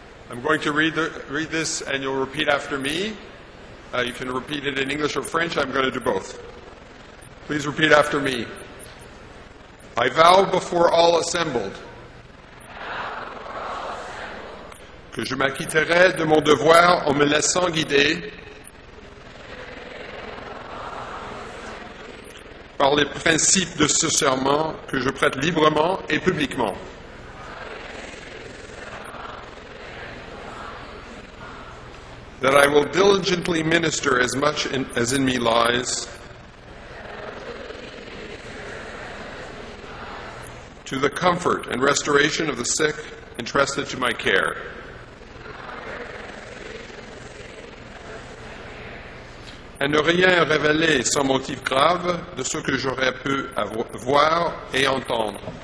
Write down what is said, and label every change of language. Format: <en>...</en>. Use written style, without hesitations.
<en>I'm going to read this, and you'll repeat after me. You can repeat it in English or French. I'm going to do both. Please repeat after me. I vow before all assembled</en> <fr>que je m'acquitterai de mon devoir en me laissant guider par les principes de ce serment que je prête librement et publiquement.</fr> <en>That I will diligently minister as much as in me lies to the comfort and restoration of the sick entrusted to my care.</en> <fr>À ne rien révéler sans motif grave de ce que j'aurais pu voir et entendre.</fr>